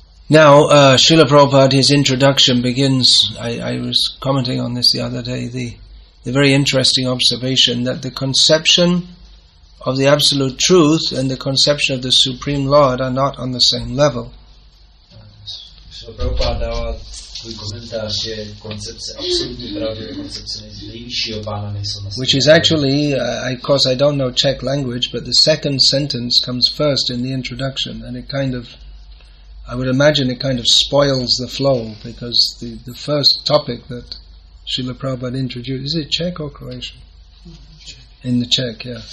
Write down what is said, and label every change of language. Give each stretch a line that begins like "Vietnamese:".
English: Now, Srila Prabhupada, his introduction begins, I was commenting on this the other day, the very interesting observation that the conception of the Absolute Truth and the conception of the Supreme Lord are not on the same level.
Czech: Srila Prabhupada dává svůj komentář, že koncepce absolutní pravdy, koncepce nejvyššího pána nejsou na stejném.
English: Which is actually, of course I don't know Czech language, but the second sentence comes first in the introduction, and it kind of, I would imagine it kind of spoils the flow, because the first topic that Srila Prabhupada introduced, is it Czech or Croatian? In the Czech, yeah.